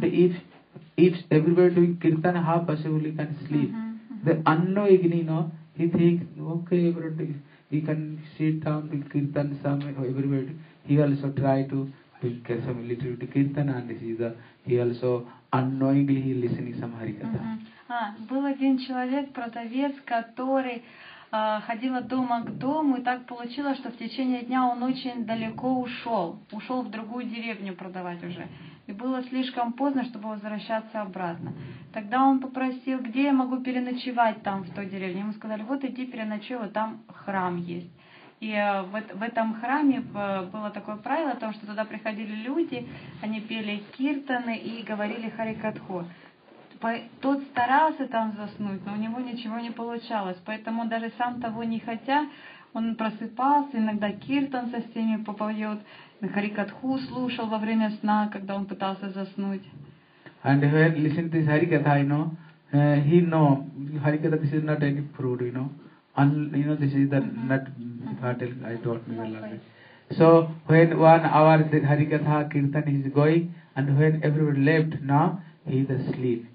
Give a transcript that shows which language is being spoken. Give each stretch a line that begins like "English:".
English: But if everybody doing kirtan, how possibly can sleep? Mm-hmm. The unknowingly, you know, he think, okay, everybody. He can sit down to kirtan some everybody. He also try to get some little to kirtan and this is the he also unknowingly he listening some harikatha. Mm-hmm.
Russian: Был один человек, продавец, который ходил от дома к дому, и так получилось, что в течение дня он очень далеко ушел в другую деревню продавать уже. И было слишком поздно, чтобы возвращаться обратно. Тогда он попросил, где я могу переночевать там, в той деревне. Ему сказали, вот иди переночуй, вот там храм есть. И в этом храме было такое правило, о том, что туда приходили люди, они пели киртаны и говорили харикатху. Тот старался там заснуть, но у него ничего не получалось. Поэтому даже сам того не хотя, он просыпался, иногда киртан со всеми попоет. Харикатху слушал во время сна, когда он пытался заснуть.
English: And when listen to this Harikatha, you know, he know Harikatha this is not any fruit, you know. And you know this is the nut I don't know. So when 1 hour the Harikatha Kirtan is going and when everybody left now, he is asleep.